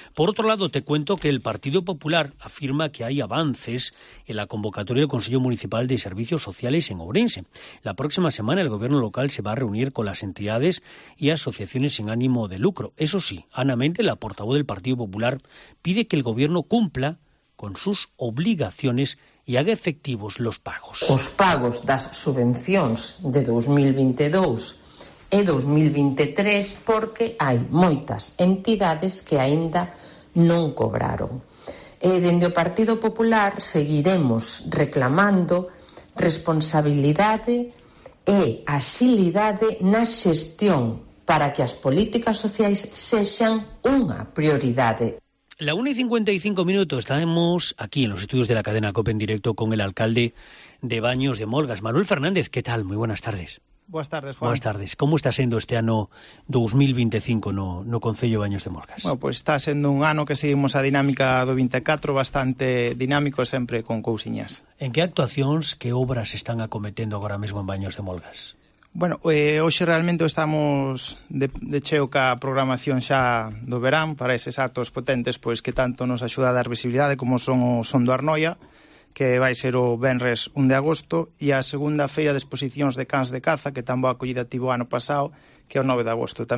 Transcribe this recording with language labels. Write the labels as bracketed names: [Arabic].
[Spanish] Por otro lado, te cuento que el Partido Popular afirma que hay avances en la convocatoria del Consejo Municipal de Servicios Sociales en Ourense. La próxima semana el gobierno local se va a reunir con las entidades y asociaciones sin ánimo de lucro. Eso sí, Ana Méndez, la portavoz del Partido Popular, pide que el gobierno cumpla con sus obligaciones e haga efectivos los pagos. [Galician] Os pagos das subvencións de 2022 e 2023, porque hai moitas entidades que aínda non cobraron. E dende o Partido Popular seguiremos reclamando responsabilidade e axilidade na xestión para que as políticas sociais sexan unha prioridade. [Spanish] La 1:55, estamos aquí en los estudios de la cadena COPE en directo con el alcalde de Baños de Molgas, Manuel Fernández. ¿Qué tal? Muy buenas tardes. Buenas tardes, Juan. Buenas tardes. ¿Cómo está siendo este año 2025 no Concello Baños de Molgas? Bueno, pues está siendo un año que seguimos a dinámica do 24, bastante dinámico, siempre con cousiñas. ¿En qué actuacións, qué obras están acometendo ahora mismo en Baños de Molgas? [Galician] Bueno, hoxe realmente estamos de cheo ca programación xa do verán para eses actos potentes, pois que tanto nos axuda a dar visibilidade como son o Son do Arnoia, que vai ser o venres 1 de agosto, e a segunda feira de exposicións de cans de caza, que tan boa acollida tivo ano pasado, que é o 9 de agosto.